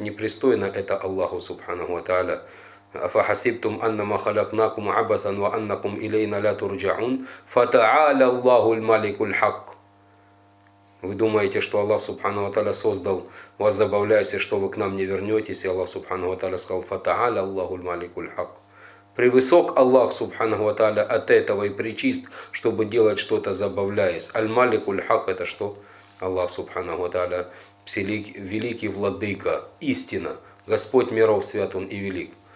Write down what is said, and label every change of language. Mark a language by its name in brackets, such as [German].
[Russian] Непристойно это Аллаху Субханаху ва Тааля. [Arabic] أفحسبتم أنما خلقناكم عبثا وأنكم إلينا لا ترجعون فتعالى الله الملك الحق. [Russian] Вы думаете, что Аллах Субхана ва Тааля создал вас забавляясь, и что вы к нам не вернетесь? И Аллах Субхана ва Тааля сказал: [Arabic] فتعالى الله الملك الحق. [Russian] Превысок Аллах Субхана ва Тааля от этого и причист, чтобы делать что-то забавляясь. Аль-Малик уль-Хак — это что? Аллах Субхана ва Тааля великий владыка, истина, Господь миров, свят Он и велик.